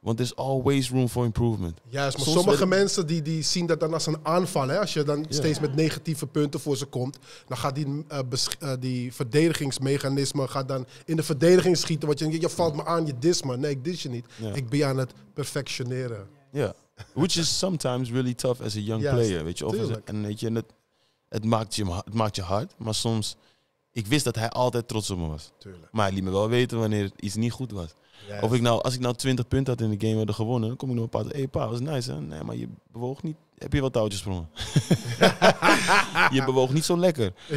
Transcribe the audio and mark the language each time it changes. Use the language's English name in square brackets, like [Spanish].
[Dutch] Want [English] there's always room for improvement. [Dutch] Juist, maar sommige mensen die zien dat dan als een aanval. Hè? Als je dan steeds met negatieve punten voor ze komt, dan gaat die verdedigingsmechanisme gaat dan in de verdediging schieten. Want je valt me aan, je dis me. Nee, ik dis je niet. [English] Yeah. [Dutch] Ik ben aan het perfectioneren. Ja. [English] Yeah. Which is sometimes really tough as a young player. [Dutch] Weet je? Het maakt je hard, maar soms... Ik wist dat hij altijd trots op me was. Tuurlijk. Maar hij liet me wel weten wanneer iets niet goed was. Yes. Als ik nou 20 punten had in de game hadden gewonnen, dan kom ik nog een paar. Pa, dat was nice. Hè? Nee, maar je bewoog niet. Heb je wel touwtjes sprongen? Je bewoog niet zo lekker.